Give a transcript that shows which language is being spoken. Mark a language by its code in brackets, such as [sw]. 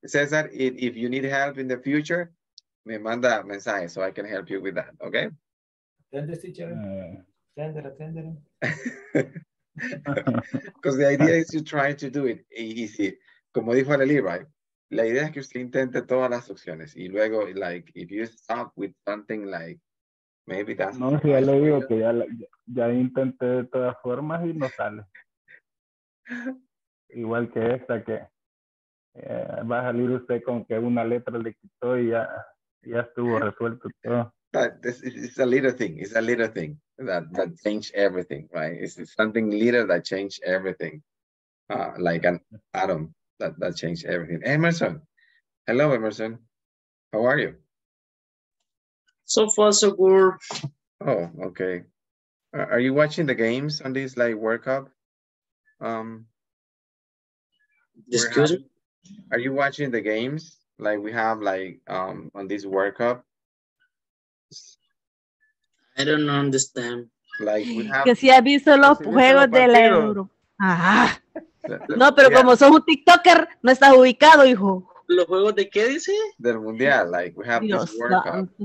[en] César, if you need help in the future, [es] me manda mensaje [en] so I can help you with that, okay? Tender, teacher. Tender. Because the idea is you try to do it easy. [es] Como dijo Aleli, [en] right? [es] La idea es que usted intente todas las opciones. Y luego, [en] like, if you stop with something like, maybe that's... [es] No, si ya le digo que ya intenté de todas formas y no sale. Igual que esta que va a salir usted con que una letra le quitó y ya... Ya estuvo resuelto todo. [en] It's a little thing. It's a little thing that changed everything, right? It's something little that changed everything. Like an atom that changed everything. Emerson. Hello, Emerson. How are you? So far, so good. Oh, okay. Are you watching the games on this, like, World Cup? Excuse me? Are you watching the games? Like we have like on this World Cup. I don't understand. Like we have. [es] Que si ha visto los juegos de la Euro. Ajá. No, pero [en] yeah. [es] Como sos un TikToker, no estás ubicado, hijo. ¿Los juegos de qué dice? Del mundial, [en] like we have Dios this World Cup.